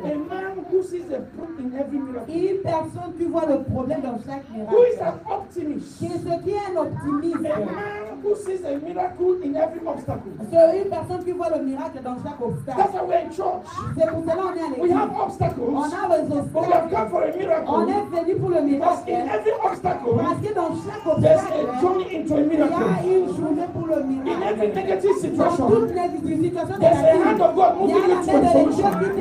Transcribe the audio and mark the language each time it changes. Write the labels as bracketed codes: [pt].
[en] A man who sees a problem in every miracle. [fr] Une personne qui voit le problème dans chaque miracle. [en] Who is an optimist? [fr] Qui est un optimiste? [en] A man who sees a miracle in every obstacle. [fr] C'est une personne qui voit le miracle dans chaque obstacle. [en] That's why we're in church. [fr] C'est pour cela qu'on est à l'église. [en] We have obstacles. [fr] On a les obstacles. [en] But we have come for a miracle. [fr] On est venu pour le miracle. [en] Because in every obstacle. [fr] Parce que dans chaque obstacle. [en] There's a journey into a miracle. [fr] Il y a une journée pour le miracle. [en] In every negative situation. [fr] Dans toute négative situation. [en] There's a hand of God moving you to a solution.